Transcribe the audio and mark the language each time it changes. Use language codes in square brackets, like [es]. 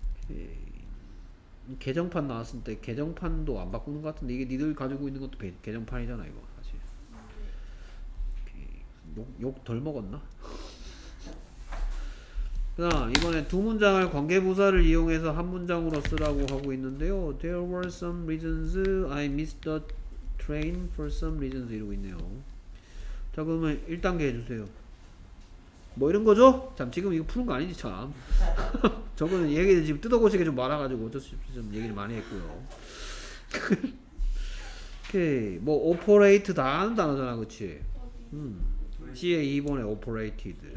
[ko] 오케이. 개정판 나왔을 때 개정판도 안 바꾸는 것 같은데 이게 니들 가지고 있는 것도 개정판이잖아 이거 사실. 욕 덜 먹었나? 자 이번에 두 문장을 관계부사를 이용해서 한 문장으로 쓰라고 하고 있는데요. [en] There were some reasons I missed the train for some reasons [ko] 이러고 있네요. 자 그러면 1단계 해주세요. 뭐 이런 거죠? 참 지금 이거 푸는 거 아니지 참. 저거는 얘기를 지금 뜯어고치게 좀 말아가지고 어쩔 수 없이 좀 얘기를 많이 했고요. 오케이. 뭐 operate 다 아는 단어잖아 그치? 시의 2번에 operated.